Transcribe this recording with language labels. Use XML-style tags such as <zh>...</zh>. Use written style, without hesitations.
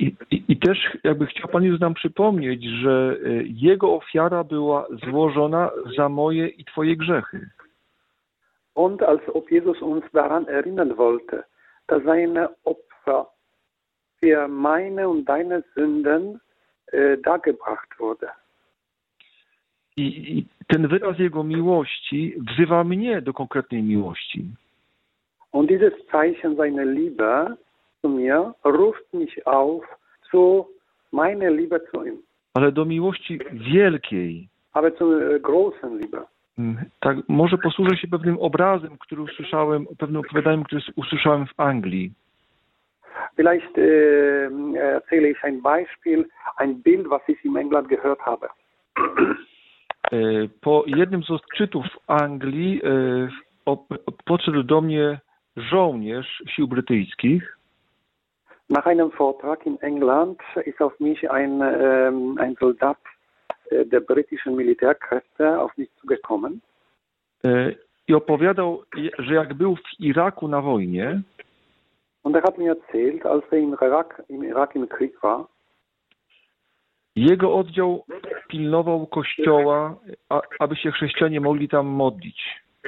<pl>I też jakby chciał Pan Jezus nam przypomnieć, że Jego ofiara była złożona za moje i Twoje grzechy.</pl> <de>Und als ob Jesus uns daran erinnern wollte, dass seine Opfer für meine und deine Sünden dargebracht wurde.</de> <pl>I ten wyraz Jego miłości wzywa mnie do konkretnej miłości.</pl> <de>Und dieses Zeichen seiner Liebe mir ruft mich auf zu meiner Liebe zu ihm.</de> <pl>Ale do miłości wielkiej.</pl> <de>Aber zu großen Liebe.</de> <pl>Tak, może posłużę się pewnym obrazem, który usłyszałem, pewnym opowiadaniem, które usłyszałem w Anglii.</pl> <de>Vielleicht erzähle ich ein Beispiel, ein Bild, was ich in England gehört habe.</de> <pl>Po jednym z odczytów w Anglii podszedł do mnie żołnierz sił brytyjskich.</pl> <de>Nach einem Vortrag in England ist auf mich ein Soldat der britischen Militärkräfte auf mich zugekommen.</de> <pl>I opowiadał, że jak był w Iraku na wojnie.</pl> <de>Und hat mir erzählt, als im Irak im Krieg war.</de> <pl>Jego oddział pilnował kościoła, aby się chrześcijanie mogli tam modlić.</pl>